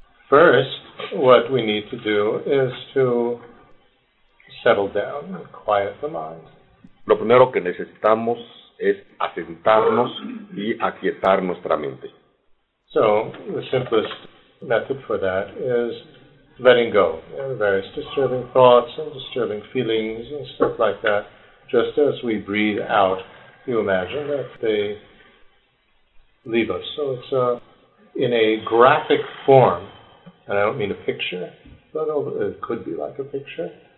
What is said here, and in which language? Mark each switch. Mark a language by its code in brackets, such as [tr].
[en] First, what we need to do is to settle down and quiet the mind. [es] Lo primero que necesitamos es asentarnos y aquietar nuestra mente. [en] So, the simplest method for that is letting go of various disturbing thoughts and disturbing feelings and stuff like that. Just as we breathe out, you imagine that they leave us. So it's in a graphic form, and I don't mean a picture, but it could be like a picture.